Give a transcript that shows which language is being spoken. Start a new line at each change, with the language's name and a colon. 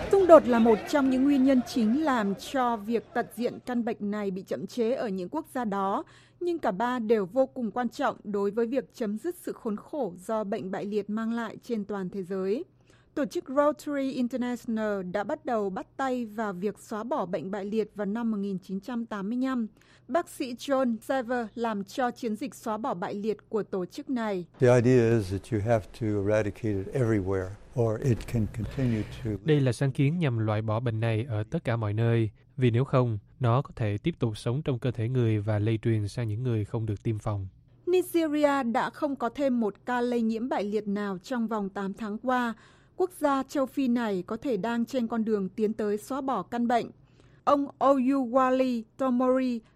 Vietnamese: Đột là một trong những nguyên nhân chính làm cho việc tận diện căn bệnh này bị chậm chế ở những quốc gia đó, nhưng cả ba đều vô cùng quan trọng đối với việc chấm dứt sự khốn khổ do bệnh bại liệt mang lại trên toàn thế giới. Tổ chức Rotary International đã bắt đầu bắt tay vào việc xóa bỏ bệnh bại liệt vào năm 1985. Bác sĩ John Sever làm cho chiến dịch xóa bỏ bại liệt của tổ chức này.
English: The idea is that you have to eradicate it everywhere.
Vietnamese: Đây là sáng kiến nhằm loại bỏ bệnh này ở tất cả mọi nơi, vì nếu không, nó có thể tiếp tục sống trong cơ thể người và lây truyền sang những người không được tiêm phòng. Nigeria đã không có thêm một ca lây nhiễm bại liệt nào trong vòng 8 tháng qua. Quốc gia châu Phi này có thể đang trên con đường tiến tới xóa bỏ căn bệnh. Ông Oyuwale Tomori